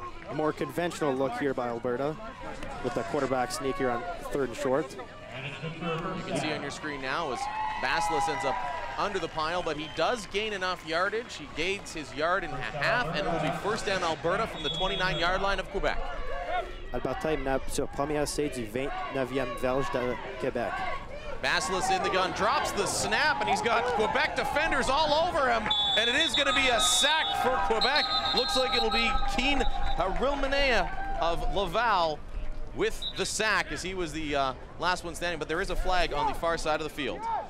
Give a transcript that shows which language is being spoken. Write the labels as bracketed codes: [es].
[en] A more conventional look here by Alberta with the quarterback sneak here on third and short. You can see on your screen now as Vasilis ends up under the pile, but he does gain enough yardage. He gains his yard and a half, and it will be first down Alberta from the 29-yard line of Quebec. [fr] Alberta est maintenant sur premier essai du 29e verge de Québec. [en] Vasilis in the gun, drops the snap, and he's got Quebec defenders all over him, and it is going to be a sack for Quebec. Looks like it'll be Keen Harilmanea of Laval with the sack, as he was the last one standing, but there is a flag on the far side of the field.